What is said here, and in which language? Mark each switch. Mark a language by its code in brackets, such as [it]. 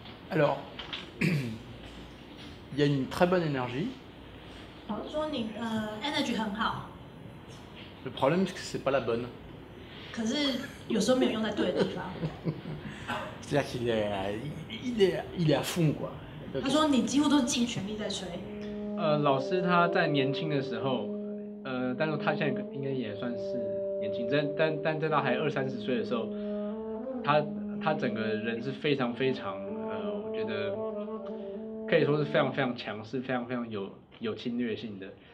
[fr] ？Alors, il y a une très bonne énergie. [zh] 老师说你energy 很好。 [fr] Le problème c'est que c'est pas la bonne. [zh] 可是有时候没有用在对的地方。 [fr] C'est-à-dire qu'il est, il est à fond quoi. [zh] 他说你几乎都尽全力在吹。老师他在年轻的时候，但是他现在应该也算是。但在他还二三十岁的时候，他整个人是非常非常我觉得可以说是非常非常强势，非常非常有侵略性的。